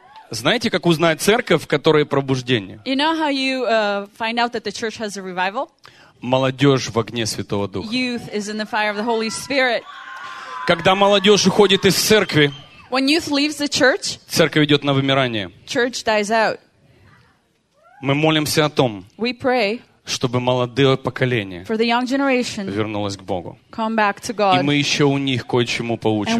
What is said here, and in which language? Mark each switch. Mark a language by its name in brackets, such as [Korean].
[Russian] Знаете, как узнать церковь, в которой пробуждение? [English] You know how you find out that the church has a revival? [Russian] Молодежь в огне Святого Духа. [English] Youth is in the fire of the Holy Spirit. [Russian] Когда молодежь уходит из церкви, [English] when youth leaves the church, [Russian] церковь идет на вымирание. [English] Church dies out. [Russian] Мы молимся о том, [English] we pray, [Russian] чтобы молодое поколение [English] for the young generation [Russian] вернулось к Богу. [English] Come back to God. [Russian] И мы еще у них кое-чему поучимся.